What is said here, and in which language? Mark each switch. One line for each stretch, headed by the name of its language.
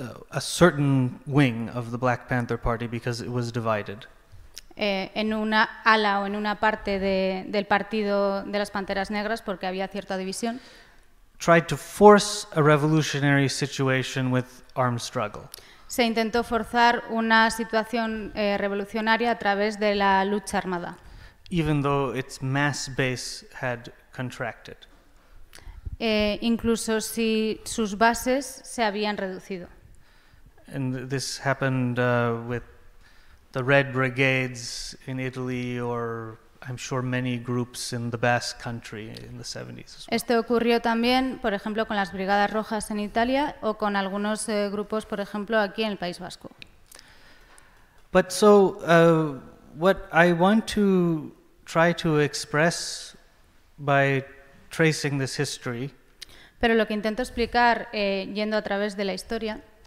English: a certain wing of the Black Panther Party because it was divided.
Spanish: En una ala o en una parte del partido de las Panteras Negras porque había cierta división.
English: Tried to force a revolutionary situation with armed struggle.
Spanish: Se intentó forzar una situación revolucionaria a través de la lucha armada.
English: Even though its mass base had contracted.
Spanish: Incluso si sus bases se habían reducido.
English: And this happened with the Red Brigades in Italy, or I'm sure many groups in the Basque Country in the 70s. As well.
Spanish: Esto ocurrió también, por ejemplo, con las Brigadas Rojas en Italia o con algunos grupos, por ejemplo, aquí en el País Vasco.
English: But so what I want to try to express by tracing this history.
Spanish: Pero lo que intento explicar yendo a través de la historia